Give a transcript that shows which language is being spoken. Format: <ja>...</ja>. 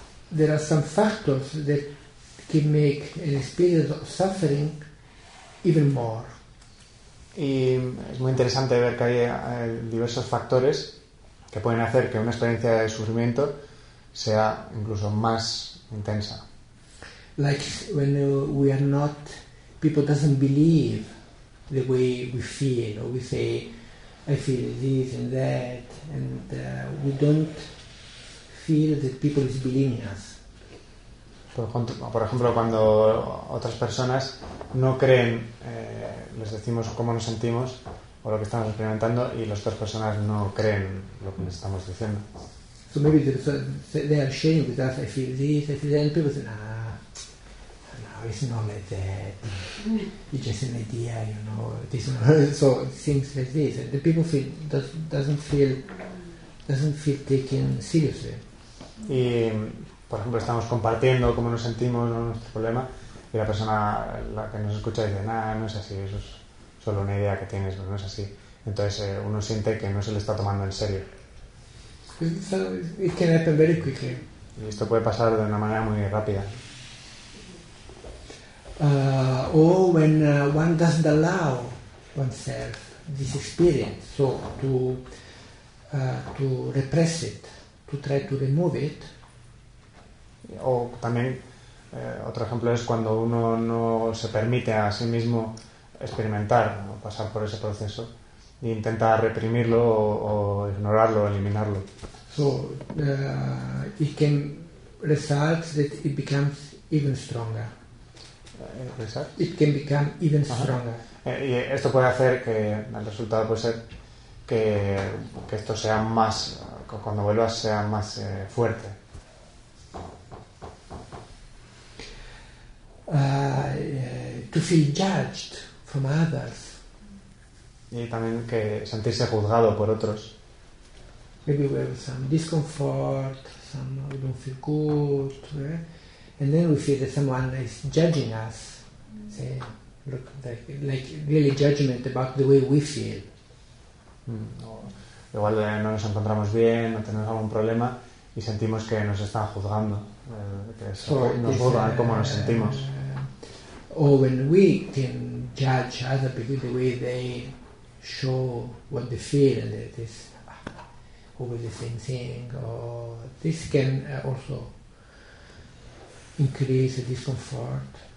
<en>There are some factors that can make an experience of suffering even more.</en> <es>Y es muy interesante ver que hay diversos factores que pueden hacer que una experiencia de sufrimiento sea incluso más intensa.</es> <en>Like when we are not, people doesn't believe the way we feel, or we say, I feel this and that, and we don't feel that people is believing us.</en> <es>Por ejemplo, cuando otras personas no creen, les decimos cómo nos sentimos o lo que estamos experimentando y las otras personas no creen lo que les estamos diciendo.</es> <en>So maybe they are ashamed because I feel this, I feel that, and people say, no, it's not like that. It's just an idea, you know. This, so things like this, the people feel doesn't feel taken seriously.</en> <es>Y por ejemplo, estamos compartiendo cómo nos sentimos, nuestro problema, y la persona la que nos escucha dice, nada, no es así, eso es solo una idea que tienes, pero no es así. Entonces uno siente que no se le está tomando en serio.</es> <en>It can happen very quickly.</en> <es>Y esto puede pasar de una manera muy rápida.</es> <en>When one doesn't allow oneself this experience, so to repress it, to try to remove it,</en> <es>o también otro ejemplo es cuando uno no se permite a sí mismo experimentar, ¿no? Pasar por ese proceso e intenta reprimirlo o ignorarlo, eliminarlo.</es> <en>So it can result that it becomes even stronger. It can become even stronger.</en> <es>Y esto puede hacer que el resultado puede ser que esto sea más, cuando vuelva sea más fuerte.</es> <en>To feel judged from others.</en> <es>Y también que sentirse juzgado por otros.</es> <en>Maybe we have some discomfort, some we don't feel good, right? And then we feel that someone is judging us. Say, look, like really judgment about the way we feel.</en> <es>Igual no nos encontramos bien, no tenemos algún problema y sentimos que nos están juzgando, que es, so nos juzgan cómo nos sentimos.</es> <en>Or when we can judge other people the way they show what they feel, and that is always the same thing, or this can also increase the discomfort.</en>